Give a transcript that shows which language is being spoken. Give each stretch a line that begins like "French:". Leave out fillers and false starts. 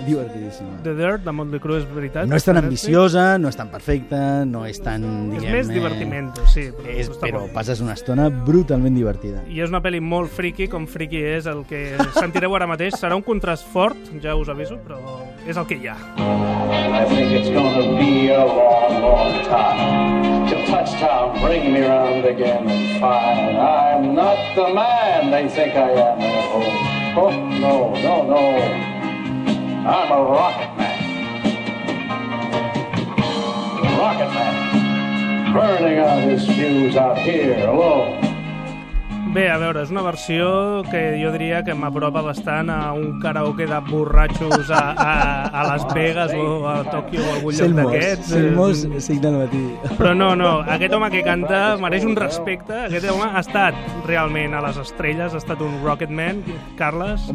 Catalan: The Dirt, de Motley Crue, és veritat. No és tan ambiciosa, no és tan perfecta, no és tan... És més divertiment, sí. Però passes una estona brutalment divertida. I és una pel·li molt friki, com friki és el que sentireu ara mateix. Serà un contrast fort, ja us aviso, però és el que hi ha.
English: I think it's gonna be a long, long time to touch town, bring me round again and find I'm not the man they think I am at home. Oh, no, no, no. I'm a rocket man. Rocket man. Burning out his fuse out here alone.
Catalan: Bé, a veure, és una versió que jo diria que m'apropa bastant a un karaoke de borratxos a Las Vegas o a Tòquio o algun lloc d'aquests. Selmos, signe del matí. Però no, aquest home que canta mereix un respecte. Aquest home ha estat realment a les estrelles, ha estat un Rocketman, Carles.